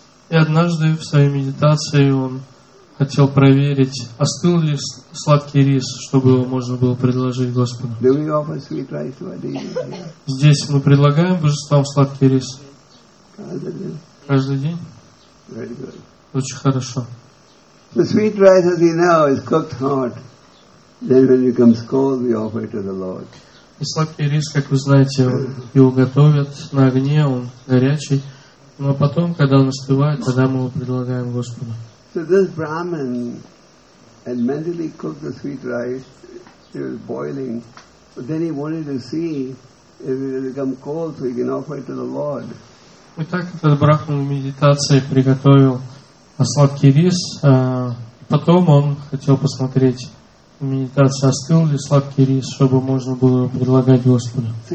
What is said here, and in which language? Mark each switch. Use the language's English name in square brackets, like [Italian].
[Russian] И однажды в своей медитации он хотел проверить, остыл ли сладкий рис, чтобы его можно было предложить Господу. Здесь мы предлагаем божествам сладкий рис? Каждый день? Очень хорошо. [English] The sweet rice, as we know, is cooked hot. Then when it comes cold, we offer it to the Lord. [Russian] И сладкий рис, как вы знаете, его готовят на огне, он горячий. Но потом, когда он остывает, тогда мы его предлагаем Господу. [English] So this Brahmin had mentally cooked the sweet rice. It was boiling. But then he wanted to see if it will become cold so he can offer it to the Lord. [Russian] И так этот брахман в медитации приготовил сладкий рис. Потом он хотел посмотреть в медитации, остыл ли сладкий рис, чтобы можно было предлагать Господу.